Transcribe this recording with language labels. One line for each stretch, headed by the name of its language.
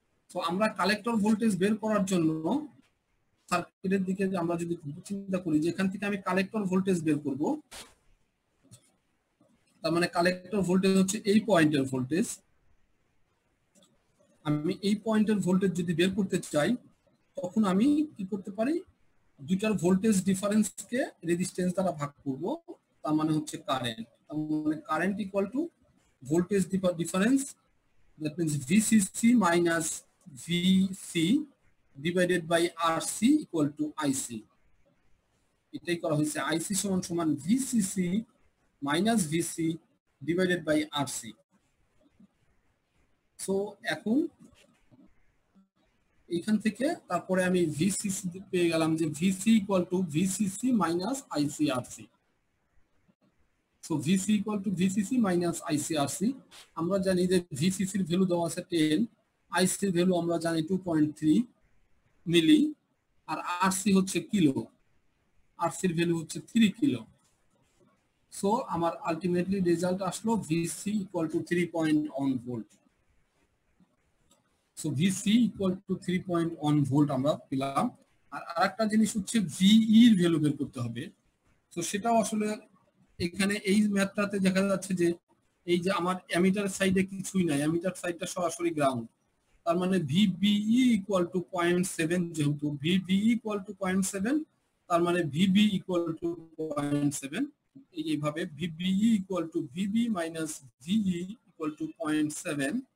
Bangla: তো আমরা collector voltage বের করার জন্য সার্কিটের দিকে আমরা যদি চিন্তা করি যে এখান থেকে আমি কালেক্টর ভোল্টেজ বের করব, তার মানে কালেক্টর ভোল্টেজ হচ্ছে এই পয়েন্টের ভোল্টেজ, আমি এই পয়েন্টের ভোল্টেজ যদি বের করতে চাই তখন আমি কি করতে পারি, দুইটার ভোল্টেজ ডিফারেন্স কে রেজিস্টেন্স দ্বারা ভাগ করব, তার মানে হচ্ছে কারেন্ট, তার মানে current equal to voltage difference
English: that means VCC minus VC divided by RC equal to IC.
Bangla: এটাই করা হয়েছে IC সমান সমান
English: VCC minus VC divided by RC.
Bangla: So এখন এখান থেকে তারপরে আমি VCC পেয়ে গেলাম যে
English: VC equal to VCC minus ICRC. So VC equal to VCC minus ICRC.
Bangla: আমরা জানি যে VCC এর ভ্যালু দেওয়া আছে 10, IC এর ভ্যালু আমরা জানি 2.3 মিলি আর RC হচ্ছে কিলো, RC এর ভ্যালু হচ্ছে 3 কিলো. So আমার আলটিমেটলি রেজাল্ট আসলো VC equal to 3.1 volt. So VC equal to 3.1 volt আমরা পেলাম. আর আরেকটা জিনিস হচ্ছে VE এর ভ্যালু বের করতে হবে. So সেটাও আসলে এখানে এই ম্যাথটাতে দেখা যাচ্ছে যে এই যে আমার অ্যামিটার সাইডে কিছুই নাই, অ্যামিটার সাইডটা সরাসরি গ্রাউন্ড, তার মানে VBE equal to 0.7, যেহেতু VBE equal to 0.7 তার মানে VB equal to 0.7, এইভাবে VBE equal to VB minus VE equal to 0.7